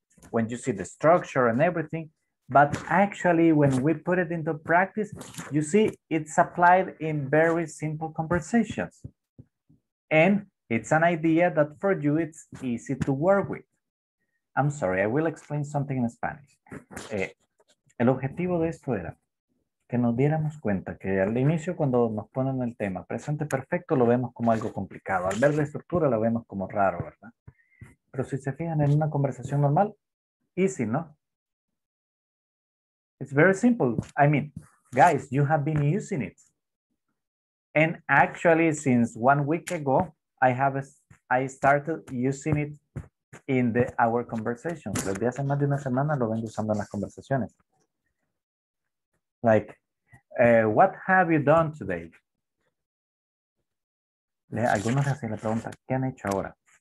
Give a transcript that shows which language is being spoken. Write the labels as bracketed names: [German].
[English] When you see the structure and everything, but actually when we put it into practice, you see it's applied in very simple conversations. And it's an idea that for you, it's easy to work with. I'm sorry, I will explain something in Spanish. [Spanish] El objetivo de esto era que nos diéramos cuenta que al inicio cuando nos ponen el tema presente perfecto lo vemos como algo complicado. Al ver la estructura lo vemos como raro, ¿verdad? Pero si se fijan en una conversación normal, easy, ¿no? [English] It's very simple. I mean, guys, you have been using it. And actually, since 1 week ago, I started using it in the our conversation. [Spanish] Desde hace más de una semana lo vengo usando en las conversaciones. [English] Like, what have you done today? [Spanish] Algunos hacen la pregunta, ¿qué han hecho ahora?